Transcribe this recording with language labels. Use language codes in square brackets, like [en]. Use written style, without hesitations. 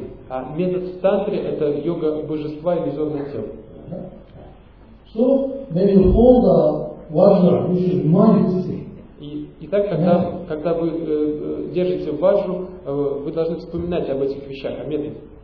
[ru] А метод в тантре – это йога божества и иллюзорное тело. [en] So, when you hold the vajra, you should remind yourself. [ru] Итак, когда вы держите вашу, вы должны вспоминать об этих вещах, о методе.